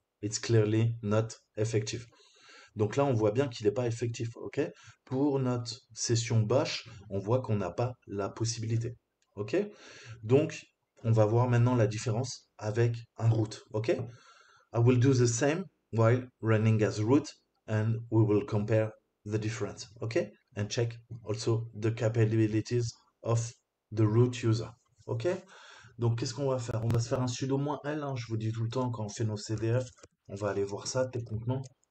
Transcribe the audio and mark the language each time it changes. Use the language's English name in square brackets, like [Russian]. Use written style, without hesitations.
[English] It's clearly not effective. [French] Donc là, on voit bien qu'il n'est pas effectif. OK? Pour notre session bash, on voit qu'on n'a pas la possibilité. OK? Donc, on va voir maintenant la différence avec un root. OK? [English] I will do the same while running as root and we will compare the difference. OK? And check also the capabilities of the root user. OK? [French] Donc, qu'est-ce qu'on va faire? On va se faire un sudo moins L. Je vous dis tout le temps quand on fait nos CDF, on va aller voir ça techniquement.